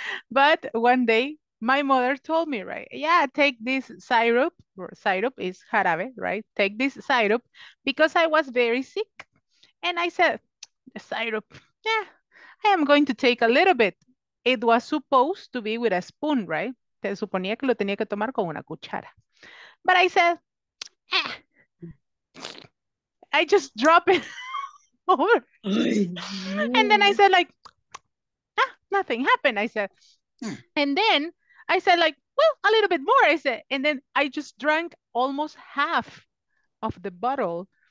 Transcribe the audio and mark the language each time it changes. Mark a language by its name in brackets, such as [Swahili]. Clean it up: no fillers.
[English] But one day my mother told me, right? Yeah, take this syrup. Syrup is jarabe, right? Take this syrup because I was very sick. And I said, the syrup, yeah, I am going to take a little bit. It was supposed to be with a spoon, right? [Spanish] Te suponía que lo tenía que tomar con una cuchara. [English] But I said, I just drop it over. And then I said, like, nothing happened. I said, and then I said, like, well, a little bit more. I said, and then I just drank almost half of the bottle.